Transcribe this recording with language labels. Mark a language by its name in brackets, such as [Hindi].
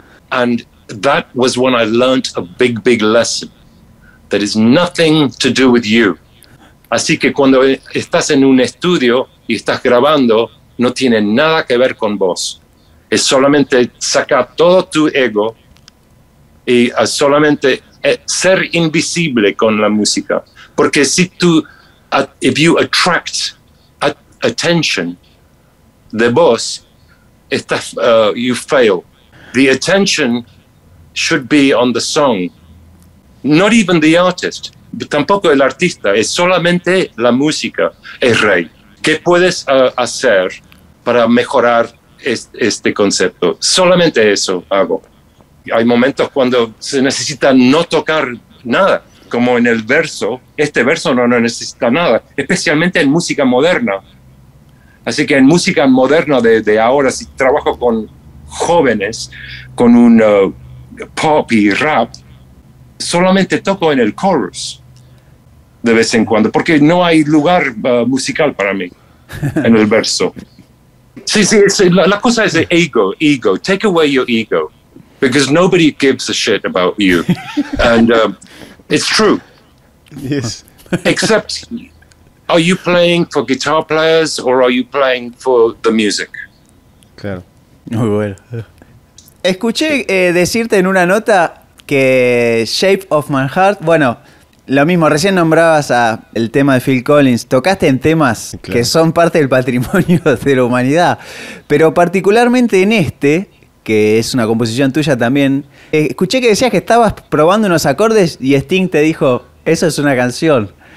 [English] And that was when I learned a big, big lesson. That is nothing to do with you. [Spanish] Así que cuando estás en un estudio y estás grabando, no tiene nada que ver con vos. Es solamente sacar todo tu ego y solamente ser invisible con la música. Porque si tú, [English] if you attract attention [Spanish] de vos, estás, [English] you fail. The attention should be on the song, not even the artist. [Spanish] Tampoco el artista, es solamente la música, es rey. ¿Qué puedes hacer para mejorar este concepto? Solamente eso hago. Hay momentos cuando se necesita no tocar nada, como en el verso. Este verso no necesita nada, especialmente en música moderna. Así que en música moderna de ahora, si trabajo con jóvenes, con un pop y rap, solamente toco en el chorus de vez en cuando, porque no hay lugar musical para mí en el verso. Sí, la cosa es ego, [English] take away your ego, because nobody gives a shit about you, and it's true. Yes. Except, are you playing for guitar players or are you playing for the music? [Spanish] Claro, muy bueno. Escuché decirte en una nota que Shape of My Heart, bueno, lo mismo, recién nombrabas el tema de Phil Collins, tocaste en temas, claro, que son parte del patrimonio de la humanidad, pero particularmente en este, que es una composición tuya también, escuché que decías que estabas probando unos acordes y Sting te dijo, eso es una canción.